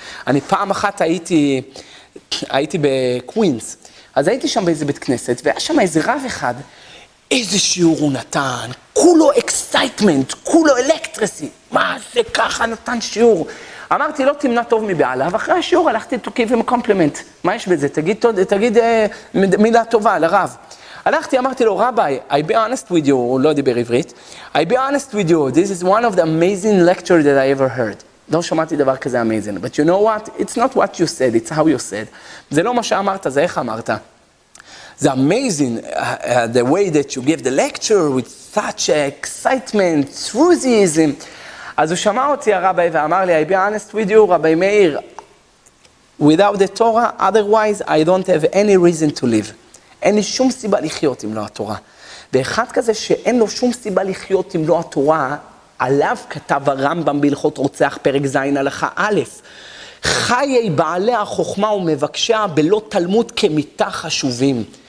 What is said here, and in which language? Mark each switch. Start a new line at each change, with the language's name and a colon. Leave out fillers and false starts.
Hebrew: אני פעם אחת הייתי בקווינס, אז הייתי שם באיזה בית כנסת, והיה שם איזה רב אחד, איזה שיעור הוא נתן, כולו אקסייטמנט, כולו אלקטרסי, מה זה ככה נתן שיעור? אמרתי, לא תמנע טוב מבעלה, ואחרי השיעור הלכתי
English: to give him a compliment,
Hebrew: מה יש בזה? תגיד מילה טובה לרב. הלכתי, אמרתי לו, רבי,
English: I be honest with you,
Hebrew: הוא לא דיבר עברית,
English: I be honest with you, this is one of the amazing lectures that I ever heard.
Hebrew: לא שמעתי דבר כזה
English: amazing, but you know what? It's not what you said, it's how you said.
Hebrew: זה לא מה שאמרת, זה איך אמרת.
English: זה amazing, the way that you give the lecture with such excitement, enthusiasm.
Hebrew: אז הוא שמע אותי הרבי ואמר לי,
English: I be honest with you, רבי מאיר, without the Torah, otherwise I don't have any reason to live.
Hebrew: אין לי שום סיבה לחיות אם לא התורה. ואחד כזה שאין לו שום סיבה לחיות אם לא התורה, עליו כתב הרמב״ם בהלכות רוצח פרק זין הלכה א', חיי בעלי החוכמה ומבקשה בלא תלמוד כמיתה חשובים.